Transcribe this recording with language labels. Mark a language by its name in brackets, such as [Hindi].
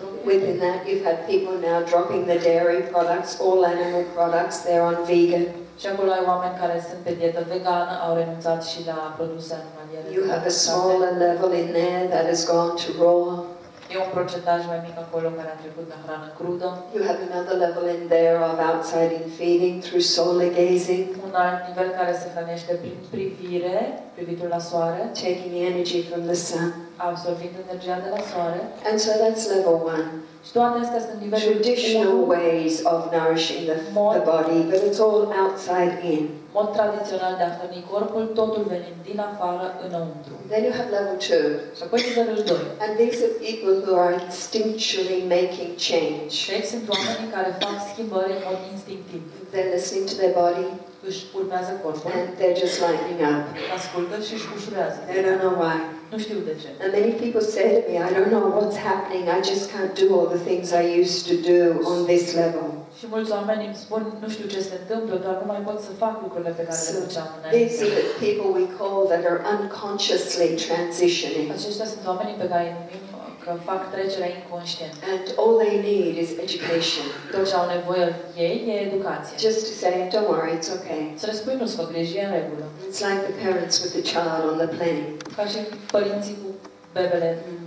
[English] Within that, you've had people now dropping the dairy products, all animal products, they're on vegan. [Romanian] Și acolo ai oameni care sunt pe dietă vegană, au renunțat și la produse animaliere. [English] You have a smaller level in there that has gone to raw. [Romanian] E un procentaj mai mic acolo care a trecut în hrană crudă. [English] You have another level in there of outside-in feeding through solar gazing. [Romanian] Un alt nivel care se hrănește prin privire, privitul la soare. [English] Taking the energy from the sun. [Romanian] Absorbind energia de la soare. [English] And so that's level one. [Romanian] Și toate astea sunt nivelul 1. [English] Traditional ways of nourishing the body, but it's all outside-in. [Romanian] Mod tradițional de a hrăni corpul, totul venind din afară înăuntru. [English] Then you have level two. [Romanian] Și apoi nivelul 2. [English] And these are people who are instinctually making change. [Romanian] Aici sunt oamenii care fac schimbări în mod instinctiv. [English] They're listening to their body. [Romanian] Își urmează corpul. [English] And they're just lightening up. [Romanian] Ascultă și își ușurează. [English] They don't know why. [Romanian] Nu știu de ce. [English] And many people say to me, I don't know what's happening. I just can't do all the things I used to do on this level. [Romanian] Și mulți oameni îmi spun, nu știu ce se întâmplă, dar nu mai pot să fac lucrurile pe care le făceam înainte. [English] These are the people we call that are unconsciously transitioning. [Romanian] Aceștia sunt oamenii pe care îi numim că fac trecerea inconștientă. [English] And all they need is education. [Romanian] Tot ce au nevoie ei e educație. [English] Just to say, don't worry, it's okay. [Romanian] Să le spui, nu-ți fă griji, e în regulă. [English] It's like the parents with the child on the plane. [Romanian] Ca și părinții cu bebele.